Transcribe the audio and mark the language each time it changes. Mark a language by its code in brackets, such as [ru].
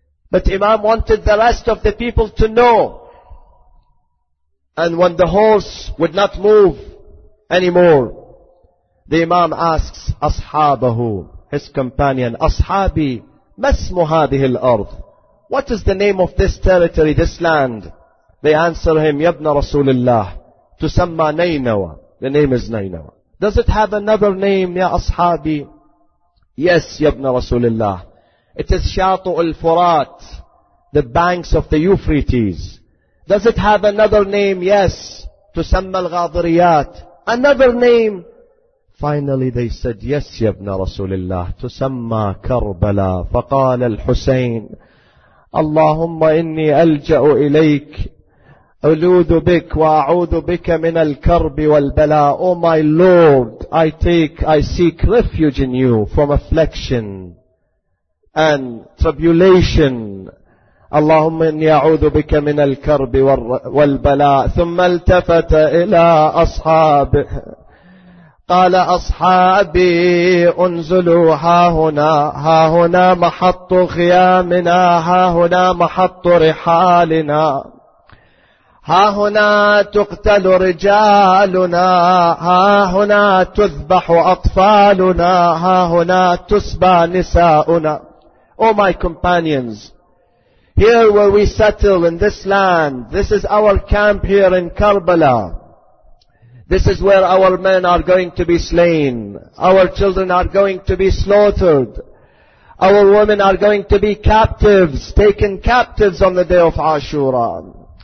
[en] But Imam wanted the rest of the people to know. And when the horse would not move anymore, the Imam asks Ashabahu, his companion, Ashabi, [ar] ما اسمه هذه الأرض? [en] What is the name of this territory, this land? They answer him, [ar] يَبْنَ رَسُولِ اللَّهِ تُسَمَّى نَيْنَوَى. [en] The name is Nainawa. Does it have another name, [ar] يَا أَصْحَابِي? [en] Yes, [ar] يَبْنَ رَسُولِ اللَّهِ. [en] It is [ar] شَاطُ الْفُرَات, [en] the banks of the Euphrates. Does it have another name? Yes, [ar] تُسَمَّى الْغَاضِرِيَات. [en] Another name? Finally they said, yes, [ar] يَبْنَ رَسُولِ اللَّهِ تُسَمَّى كَرْبَلَى. فَقَالَ الْحُسَيْنِ اللَّهُمَّ إِنِّي أَلْجَأُ إِلَيْكَ أُلُوذُ بِكْ وَأَعُوذُ بِكَ مِنَ الْكَرْبِ وَالْبَلَىٰ. [en] Oh my Lord, I seek refuge in you from affliction and tribulation. [ar] اللهم إني أعوذ بك من الكرب والبلاء. ثم التفت إلى أصحابه قال أصحابي أنزلوا ها هنا محط خيامنا, ها هنا محط رحالنا, ها هنا تقتل رجالنا, ها هنا تذبح أطفالنا, ها هنا تسبى نساؤنا. [en] Oh my companions, here where we settle in this land, this is our camp here in Karbala. This is where our men are going to be slain. Our children are going to be slaughtered. Our women are going to be captives, taken captives on the day of Ashura.